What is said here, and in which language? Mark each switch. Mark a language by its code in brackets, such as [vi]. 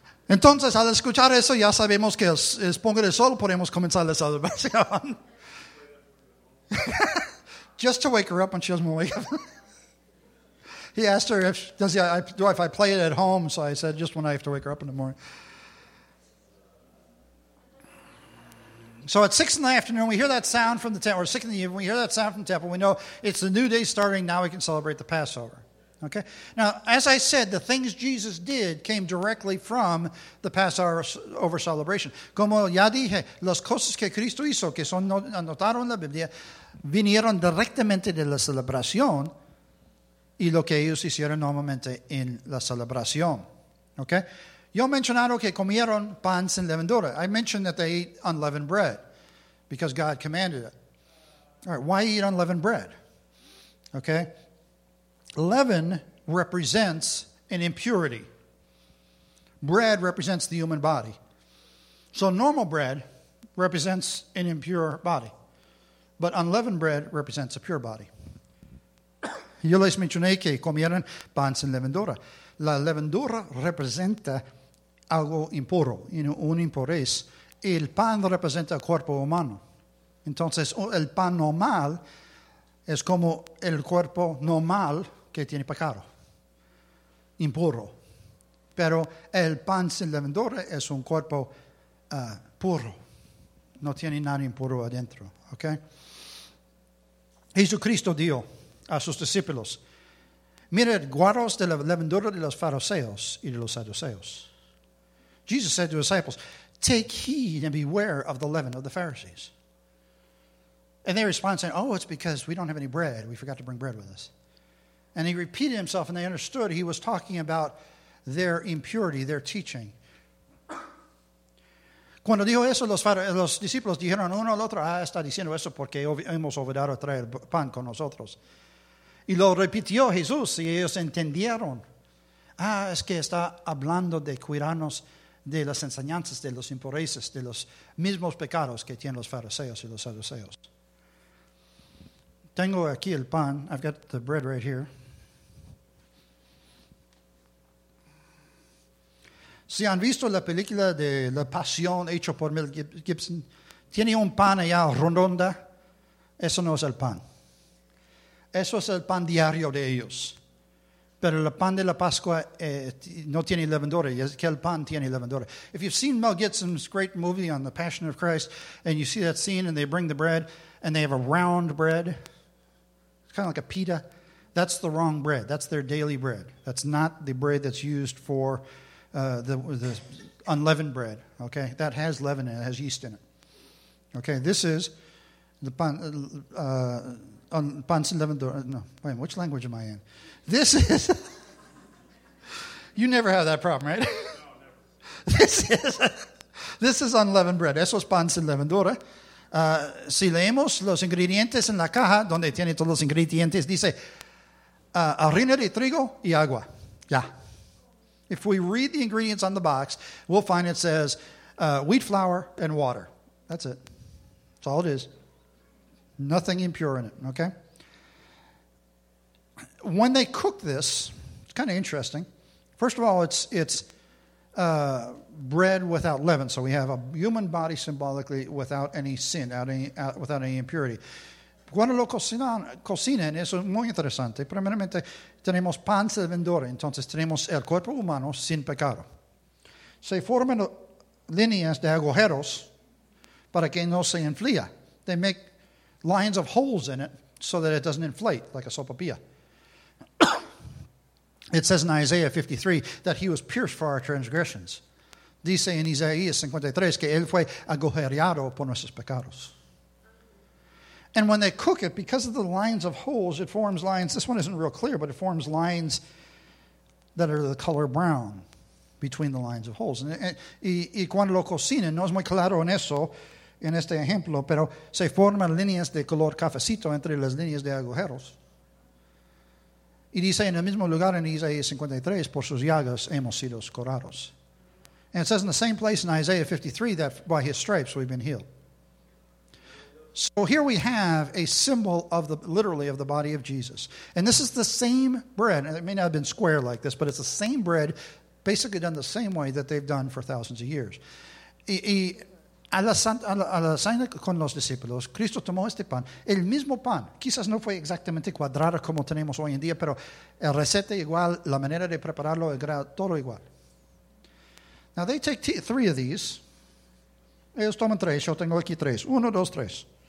[es] Entonces, al escuchar eso, ya sabemos que es ponga de sol, podemos comenzar la salvación. [en] Just to wake her up when she doesn't wake up. He asked her, if I play it at home? So I said, just when I have to wake her up in the morning. So at 6 in the afternoon, we hear that sound from the temple. Or 6 in the evening, we hear that sound from the temple. We know it's the new day starting. Now we can celebrate the Passover. Okay. Now, as I said, the things Jesus did came directly from the Passover celebration. [es] Como ya dije, las cosas que Cristo hizo, que son anotaron en la Biblia, vinieron directamente de la celebración y lo que ellos hicieron normalmente en la celebración. Okay. Yo mencionado que comieron pan sin levadura. [en] I mentioned that they ate unleavened bread because God commanded it. All right. Why eat unleavened bread? Okay. Leaven represents an impurity. Bread represents the human body. So normal bread represents an impure body. But unleavened bread represents a pure body. [es] Yo les mencioné que comieron pan sin levadura. La levadura representa algo impuro, un impurez. El pan representa el cuerpo humano. Entonces, el pan normal es como el cuerpo normal que tiene pecado, impuro. Pero el pan sin levadura es un cuerpo puro. No tiene nada impuro adentro. Okay? Jesucristo dio a sus discípulos, miren, guardaos de la levadura de los fariseos y de los saduceos. [en] Jesus said to his disciples, take heed and beware of the leaven of the Pharisees. And they respond saying, oh, it's because we don't have any bread. We forgot to bring bread with us. And he repeated himself, and they understood he was talking about their impurity, their teaching. [es] Cuando dijo eso, los discípulos dijeron uno al otro, ah, está diciendo eso porque hemos olvidado traer pan con nosotros. Y lo repitió Jesús, y ellos entendieron. Ah, es que está hablando de cuidarnos de las enseñanzas de los impureces, de los mismos pecados que tienen los fariseos y los saduceos. Tengo aquí el pan. [en] I've got the bread right here. [es] Si han visto la película de La Pasión hecho por Mel Gibson, tiene un pan allá rondonda. Eso no es el pan. Eso es el pan diario de ellos. Pero el pan de la Pascua no tiene levadura. Es que el pan tiene levadura. [en] If you've seen Mel Gibson's great movie on The Passion of Christ, and you see that scene and they bring the bread, and they have a round bread, kind of like a pita, that's the wrong bread. That's their daily bread. That's not the bread that's used for the unleavened bread, okay? That has leaven in it. It has yeast in it. Okay, this is the [es] pan sin levadura. [en] No, wait, which language am I in? This is... you never have that problem, right? No, never. This is unleavened bread. [es] Eso es pan sin levadura. Si leemos los ingredientes en la caja donde tiene todos los ingredientes, dice harina de trigo y agua. [en] Yeah. If we read the ingredients on the box, we'll find it says wheat flour and water. That's it. That's all it is. Nothing impure in it, okay? When they cook this, it's kind of interesting. First of all, it's bread without leaven. So we have a human body symbolically without any sin, without any impurity. [es] Cuando lo cocinan, eso es muy interesante. Primeramente, tenemos pan sin levadura. Entonces, tenemos el cuerpo humano sin pecado. Se forman líneas de agujeros para que no se enfría. [en] They make lines of holes in it so that it doesn't inflate like a sopapilla. It says in Isaiah 53 that he was pierced for our transgressions. [es] Dice en Isaías 53 que él fue agujereado por nuestros pecados. [en] And when they cook it, because of the lines of holes, it forms lines. This one isn't real clear, but it forms lines that are the color brown between the lines of holes. [es] Y cuando lo cocinan, no es muy claro en eso, en este ejemplo, pero se forman líneas de color cafecito entre las líneas de agujeros. Y dice en el mismo lugar en Isaías 53, por sus llagas hemos sido curados. [en] And it says in the same place in Isaiah 53 that by his stripes we've been healed. So here we have a symbol of the, literally, of the body of Jesus. And this is the same bread. It may not have been square like this, but it's the same bread, basically done the same way that they've done for thousands of years. [es] Y a la cena con los discípulos, Cristo tomó este pan, el mismo pan. Quizás no fue exactamente cuadrado como tenemos hoy en día, pero el receta igual, la manera de prepararlo, el grado, todo igual. [en] Now they take three of these. [es] Ellos toman tres, yo tengo aquí tres. Uno, dos, tres.